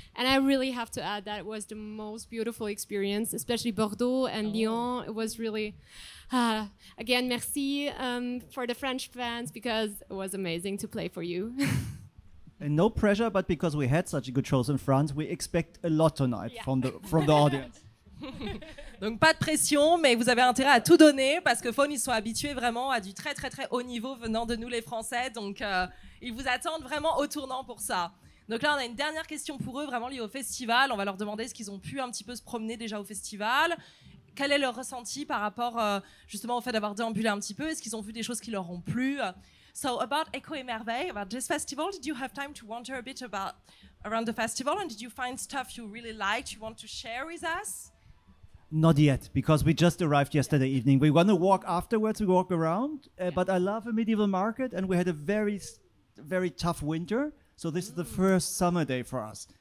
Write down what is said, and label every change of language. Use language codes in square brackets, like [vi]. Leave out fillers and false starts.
[en] And I really have to add that it was the most beautiful experience, especially Bordeaux and Lyon. It was really... again, merci for the French fans because it was amazing to play for you. And no pressure, but because we had such a good shows in France, we expect a lot tonight from the audience. [fr] Donc pas de pression, mais vous avez intérêt à tout donner parce que Faune, ils sont habitués vraiment à du très très très haut niveau venant de nous les Français, donc ils vous attendent vraiment au tournant pour ça. Donc là, on a une dernière question pour eux vraiment liée au festival. On va leur demander ce qu'ils ont pu un petit peu se promener déjà au festival. Quel est leur ressenti par rapport justement au fait d'avoir déambulé un petit peu? Est-ce qu'ils ont vu des choses qui leur ont plu? [en] So about Echo et Merveille, about this festival, did you have time to wander a bit about around the festival and did you find stuff you really liked you want to share with us? Not yet, because we just arrived yesterday evening. We want to walk afterwards, we walk around, but I love a medieval market and we had a very, very tough winter. So this is the first summer day for us.